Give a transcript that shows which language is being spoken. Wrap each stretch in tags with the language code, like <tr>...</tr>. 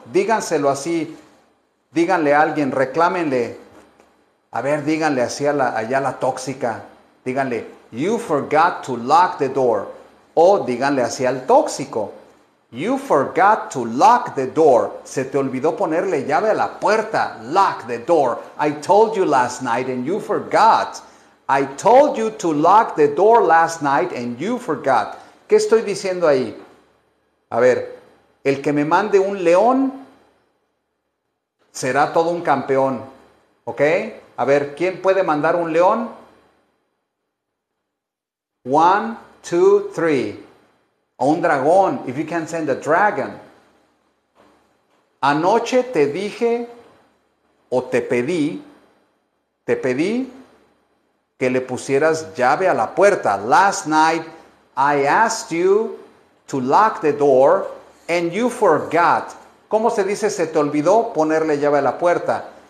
<es>Díganselo así. Díganle a alguien, reclámenle. A ver, díganle así allá a la tóxica. Díganle,</es> <en>you forgot to lock the door.</en> <es>O díganle así al tóxico.</es> <en>You forgot to lock the door.</en> <es>Se te olvidó ponerle llave a la puerta.</es> <en>Lock the door. I told you last night and you forgot. I told you to lock the door last night and you forgot.</en> <es>¿Qué estoy diciendo ahí? A ver, el que me mande un león será todo un campeón. ¿Ok? A ver, ¿quién puede mandar un león?</es> <en>One, two, three.</en> <es>O un dragón,</es> <en>if you can send a dragon.</en> <es>Anoche te dije o te pedí que le pusieras llave a la puerta.</es> <en>Last night I asked you to lock the door and you forgot.</en> <es>¿Cómo se dice se te olvidó ponerle llave a la puerta?</es>